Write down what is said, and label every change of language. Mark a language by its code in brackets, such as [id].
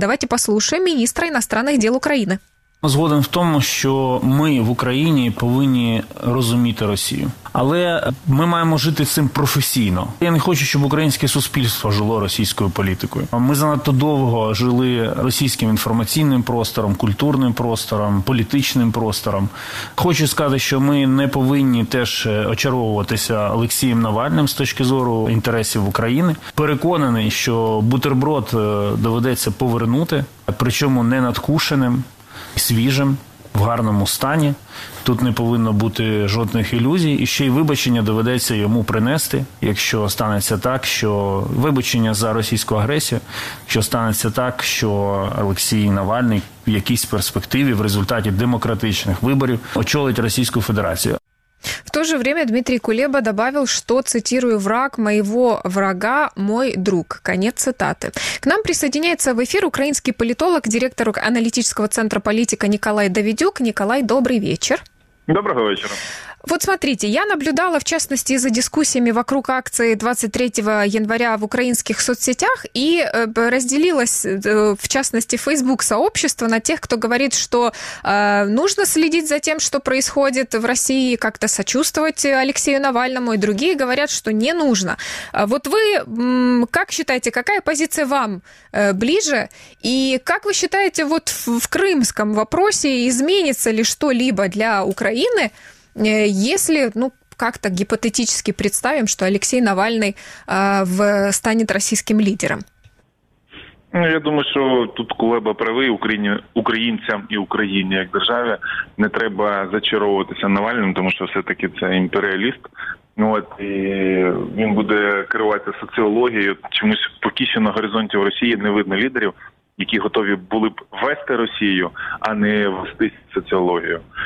[ru] Давайте послушаем министра иностранных дел Украины. [uk] Згоден в тому, що ми в Україні повинні розуміти Росію. Але ми маємо жити цим професійно. Я не хочу, щоб українське суспільство жило російською політикою. Ми занадто довго жили російським інформаційним простором, культурним простором, політичним простором. Хочу сказати, що ми не повинні теж очаровуватися Олексієм Навальним з точки зору інтересів України. Переконаний, що бутерброд доведеться повернути, причому не надкушеним. Свіжим, в гарному стані. Тут не повинно бути жодних ілюзій. І ще й вибачення доведеться йому принести, якщо станеться так, що вибачення за російську агресію, якщо станеться так, що Олексій Навальний в якійсь перспективі, в результаті демократичних виборів, очолить Російську Федерацію. [ru] В то же время Дмитрий Кулеба добавил, что, цитирую, «враг моего врага – мой друг». Конец цитаты. К нам присоединяется в эфир украинский политолог, директор аналитического центра «Политика» Николай Давидюк. Николай, добрый вечер. Доброго вечера. Вот смотрите, я наблюдала, в частности, за дискуссиями вокруг акции 23 января в украинских соцсетях и разделилась, в частности, Facebook-сообщество на тех, кто говорит, что нужно следить за тем, что происходит в России, как-то сочувствовать Алексею Навальному, и другие говорят, что не нужно. Вот вы как считаете, какая позиция вам ближе? И как вы считаете, вот в крымском вопросе изменится ли что-либо для Украины, если, ну, как-то гипотетически представим, что Алексей Навальный станет российским лидером? [uk] Ну, я думаю, що тут Кулеба правий. Українцям і Україні як державі не треба зачаровуватися Навальним, тому що все-таки це імперіаліст. Ну, от, і він буде керуватися соціологією. Чомусь поки що на горизонті в Росії не видно лідерів, які готові були б вести Росію, а не вести соціологію.